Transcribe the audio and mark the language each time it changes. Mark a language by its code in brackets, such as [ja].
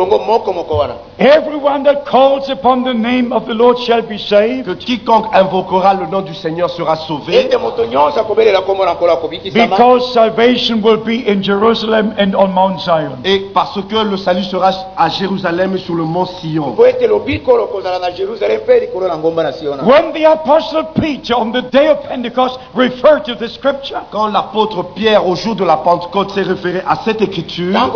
[en] everyone that calls upon the name of the Lord shall be saved, [fr] que quiconque invoquera le nom du Seigneur sera sauvé, [en] because salvation will be in Jerusalem and on Mount Zion. [fr] Et parce que le salut sera à Jérusalem sur le mont Sion. [en] When the apostle Peter on the day of Pentecost referred to the scripture, [fr] quand l'apôtre Pierre au jour de la Pentecôte s'est référé à cette écriture,